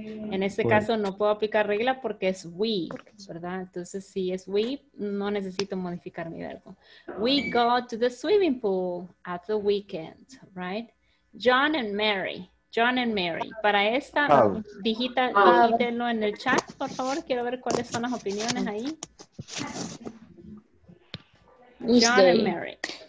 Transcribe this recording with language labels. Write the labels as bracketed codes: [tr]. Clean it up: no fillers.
[es] En este caso no puedo aplicar regla porque es we, ¿verdad? Entonces si es we, no necesito modificar mi verbo. [en] We go to the swimming pool at the weekend, right? John and Mary. John and Mary. [es] Para esta, digítenlo en el chat, por favor. Quiero ver cuáles son las opiniones ahí. [en] John and Mary.